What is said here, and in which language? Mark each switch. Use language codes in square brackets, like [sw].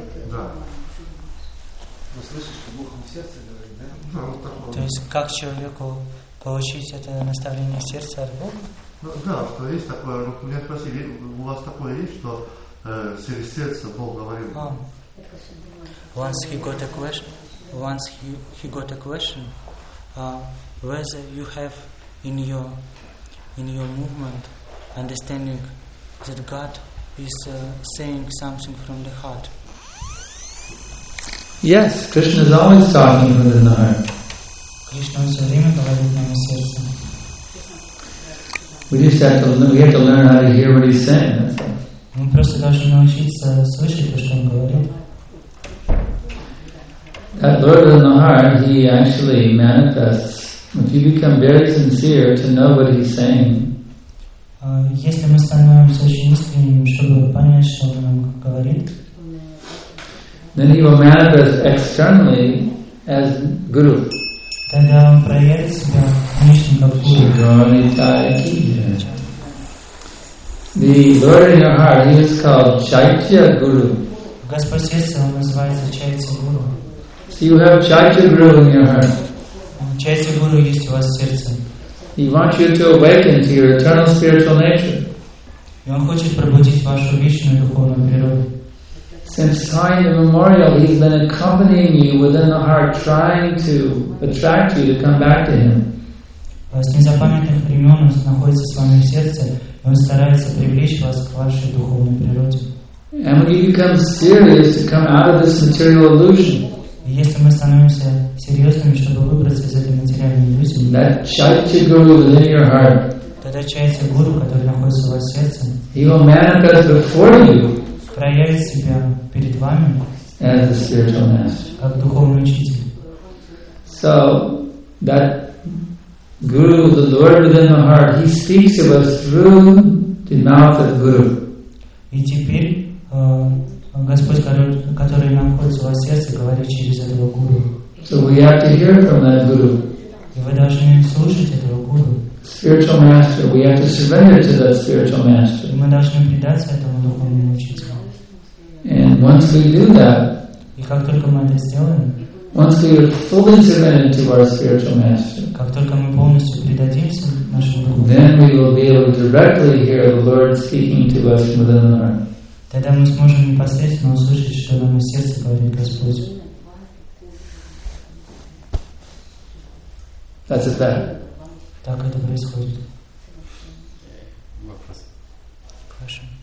[ru] Да. Вы слышите, что Бог в сердце говорит, да? Да, вот такое. То есть как человеку получить это наставление сердца от Бога? Ну, да, что есть такое. Ну, меня спросили, у вас такое есть, что через сердце Бог говорил? [en] Once he got a question, whether you have in your movement understanding that God is saying something from the heart. Yes, Krishna is always talking within the heart. Krishna is always talking within the heart. We have to learn how to hear what he's saying. We [ru] просто должны научиться слышать то, что он говорит. [en] That Lord in the heart, he actually manifests If you become very sincere to know what he's saying, [ru] если мы становимся очень искренними, чтобы понять, что он нам говорит, [en] then he will manifest externally as Guru. [ru] Тогда он проявит себя внешне как Гуру. [en] The Lord in your heart, he is called Chaitya Guru. [ru] Господь сердце, он называется Чайтья Гуру. [en] So you have Chaitya Guru in your heart. [ru] Чайтья Гуру есть у вас в сердце. [en] He wants you to awaken to your eternal spiritual nature. [ru] И он хочет пробудить вашу вечную духовную природу. [en] Since time immemorial, he's been accompanying you within the heart, trying to attract you to come back to him. [ru] С незапамятных времен он находится с вами в сердце, и он старается привлечь вас к вашей духовной природе. [en] And when you become serious to come out of this material illusion, [ru] если мы становимся серьезными, чтобы выбраться из этой материальной иллюзии, [en] that Chaitya Guru within your heart, [ru] тогда Чайтья Гуру, который находится у вас в сердце, [en] he will manifest before you, [ru] проявит себя перед вами [en] as the spiritual master, [ru] как духовный учитель. [en] So that Guru, the Lord within the heart, he speaks to us through the mouth of Guru. [ru] И теперь Господь, который находится у вас в сердце, говорит через этого Гуру. [en] So we have to hear from that Guru. [ru] И вы должны слушать этого Гуру. [en] Spiritual master, we have to surrender to that spiritual master. [ru] И мы должны предаться этому духовному учителю. [en] And once we do that, [ru] и как только мы это сделаем, [en] once we are fully surrendered to our spiritual master, [ru] как только мы полностью предадимся нашему духу, [en] then we will be able to directly hear the Lord speaking to us from within our heart. [ru] Тогда мы сможем непосредственно услышать, что нам из сердца говорит Господь. [en] That's it. [ru] Так это происходит. Вопрос. Хорошо.